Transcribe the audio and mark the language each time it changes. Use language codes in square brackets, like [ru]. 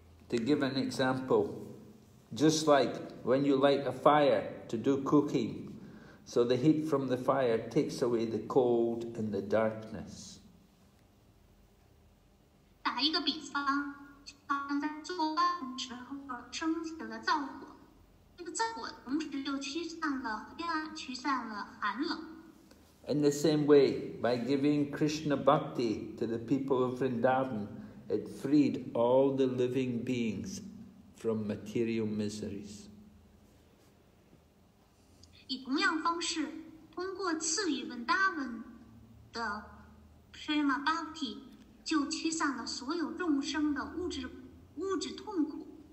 [en] To give an example, just like when you light a fire to do cooking, so the heat from the fire takes away the cold and the darkness. [zh] 打一个比方，像在做饭时候升起了灶火，那个灶火同时又驱散了黑暗，驱散了寒冷。 [en] In the same way, by giving Krishna bhakti to the people of Vrindavan, it freed all the living beings from material miseries. [zh] 以同样方式，通过赐予 Vrindavan 的 prema bhakti, 就驱散了所有众生的物质痛苦。